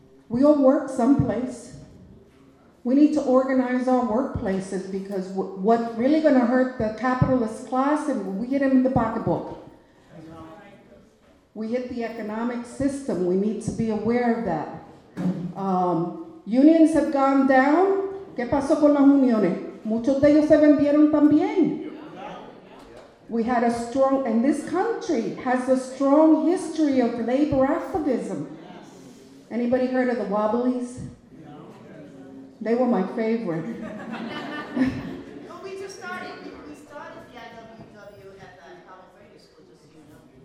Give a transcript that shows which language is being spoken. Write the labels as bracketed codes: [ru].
[en] We all work someplace. We need to organize our workplaces because what's really gonna hurt the capitalist class and we hit them in the pocketbook. We hit the economic system. We need to be aware of that. Unions have gone down. [es] ¿Qué pasó con las uniones? Muchos de ellos se vendieron también. [en] We had a strong, and this country has a strong history of labor activism. Anybody heard of the Wobblies? They were my favorite. we started the IWW at the Palo Verde School, just so you know.